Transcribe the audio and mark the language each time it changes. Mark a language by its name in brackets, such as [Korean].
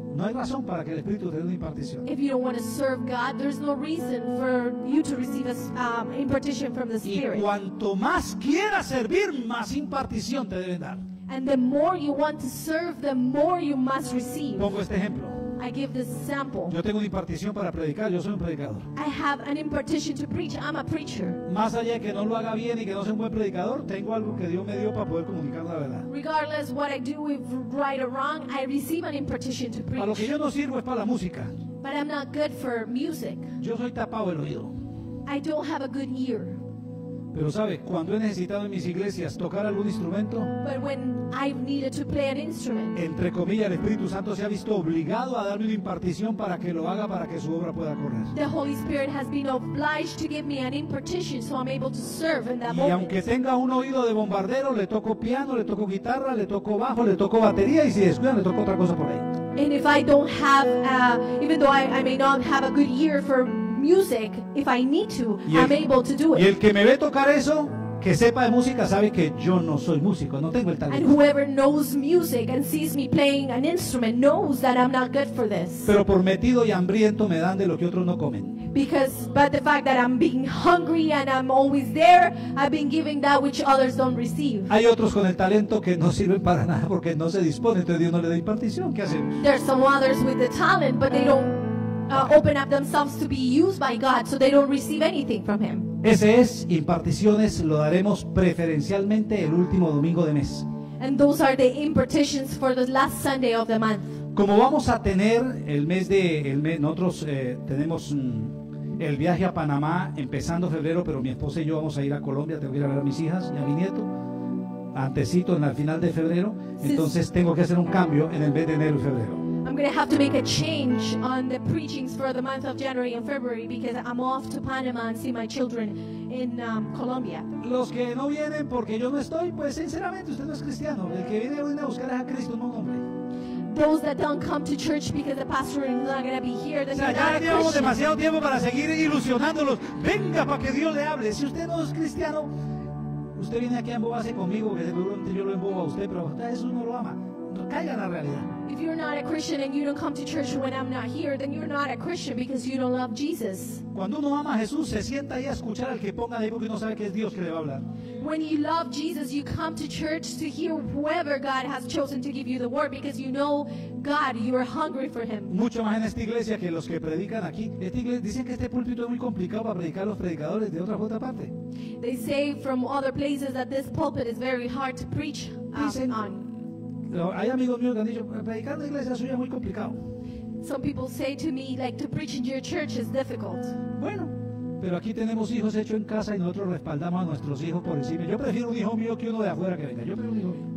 [Spanish] No hay razón para que el Espíritu te dé una impartición. [English] If you don't want to serve God, there's no reason for you to receive an impartition from the Spirit. [Spanish] Y cuanto más quieras servir, más impartición te deben dar. [English] And the more you want to serve, the more you must receive. [Spanish] Pongo este ejemplo. [English] I give this example. [Spanish] Yo tengo una impartición para predicar, yo soy un predicador. [English] I have an impartition to preach, I'm a preacher. [Spanish] Más allá de que no lo haga bien y que no sea un buen predicador, tengo algo que Dios me dio para poder comunicar la verdad. [English] Regardless what I do with right or wrong, I receive an impartition to preach. [Spanish] A lo que yo no sirvo es para la música. [English] But I'm not good for music. [Spanish] Yo soy tapado el oído. [English] I don't have a good ear. [Spanish] Pero sabe, cuando he necesitado en mis iglesias tocar algún instrumento, [English] but when I've needed to play an instrument, [Spanish] entre comillas, el Espíritu Santo se ha visto obligado a darme una impartición para que lo haga, para que su obra pueda correr. [English] The Holy Spirit has been obliged to give me an impartition so I'm able to serve in that [Spanish] y [English] moment. [Spanish] Y aunque tenga un oído de bombardero, le toco piano, le toco guitarra, le toco bajo, le toco batería, y si descuida, le toco otra cosa por ahí. [English] And if I don't have, even though I may not have a good ear for music, if I need to, I'm able to do it. [Spanish] Y el que me ve tocar eso, que sepa de música, sabe que yo no soy músico, no tengo el talento. [English] And whoever knows music and sees me playing an instrument knows that I'm not good for this. [Spanish] Pero por metido y hambriento me dan de lo que otros no comen. [English] Because, but the fact that I'm being hungry and I'm always there, I've been giving that which others don't receive. [Spanish] Hay otros con el talento que no sirven para nada porque no se disponen, entonces Dios no le da impartición. ¿Qué hacemos? [English] There's some others with the talent, but they don't open up themselves to be used by God, so they don't receive anything from Him. [Spanish] Ese es, imparticiones lo daremos preferencialmente el último domingo de mes. [English] And those are the impartitions for the last Sunday of the month. [Spanish] Como vamos a tener nosotros tenemos el viaje a Panamá empezando febrero, pero mi esposa y yo vamos a ir a Colombia, tengo que ir a ver a mis hijas y a mi nieto antesito, en el final de febrero. Entonces tengo que hacer un cambio en el mes de enero y febrero. [English] I'm going to have to make a change on the preachings for the month of January and February because I'm off to Panama and see my children in Colombia. [Spanish] Los que no vienen porque yo no estoy, pues sinceramente usted no es cristiano. El que viene, viene a buscar a Cristo, no hombre. [English] Those that don't come to church because the pastor is not going to be here, then [Spanish] o sea, ya llevamos demasiado tiempo para seguir ilusionándolos. Venga para que Dios le hable. Si usted no es cristiano, usted viene aquí a embobarse conmigo, que seguro yo lo embobo a usted, pero Jesús no lo ama. Caiga en la realidad. [English] If you're not a Christian and you don't come to church when I'm not here, then you're not a Christian because you don't love Jesus. [Spanish] Cuando uno ama a Jesús, se sienta ahí a escuchar al que ponga de ahí porque uno sabe que es Dios que le va a hablar. [English] When you love Jesus, you come to church to hear whoever God has chosen to give you the word because you know God, you are hungry for Him. [Spanish] Mucho más en esta iglesia que los que predican aquí. Esta iglesia, dicen que este púlpito es muy complicado para predicar los predicadores de otra parte. [English] They say from other places that this pulpit is very hard to preach on. [Spanish] Hay amigos míos que han dicho, predicar en la iglesia suya es muy complicado. [English] Some people say to me, like, to preach in your church is difficult. [Spanish] Bueno, pero aquí tenemos hijos hechos en casa y nosotros respaldamos a nuestros hijos por encima. Yo prefiero un hijo mío que uno de afuera que venga. Yo prefiero un hijo mío.